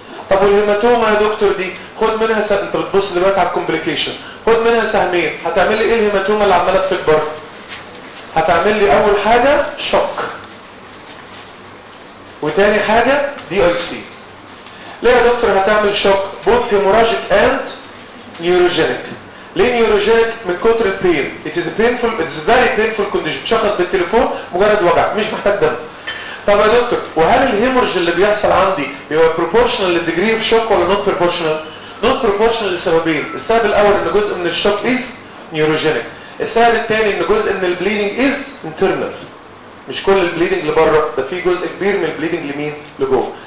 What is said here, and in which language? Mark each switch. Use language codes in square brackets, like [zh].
[ar] طب والهيماتوما يا دكتور دي خد منها انت بتبص دلوقتي على الكومبليكيشن، خد منها سهمين، هتعمل لي ايه الهيماتوما اللي عماله تكبر؟ هتعمل لي اول حاجه شوك. وتاني حاجه دي اي سي. ليه يا دكتور هتعمل شوك؟ [en] Both haemorrhagic and neurogenic. [ar] ليه نيوروجينيك؟ من كتر البين. [en] It is painful, it is very painful condition. [ar] شخص بالتليفون مجرد وجع مش محتاج دم. طب يا دكتور وهل الهيمورج اللي بيحصل عندي هو بروبورشنال للديجري اوف شوك ولا [en] Not proportional? [ar] نوت بروبورشنال لسببين. السبب الاول ان جزء من الشوك [en] Is neurogenic. [ar] السبب الثاني ان جزء من البليدنج [en] Is internal. [ar] مش كل البليدنج لبره، ده في جزء كبير من البليدنج لمين؟ لجوه.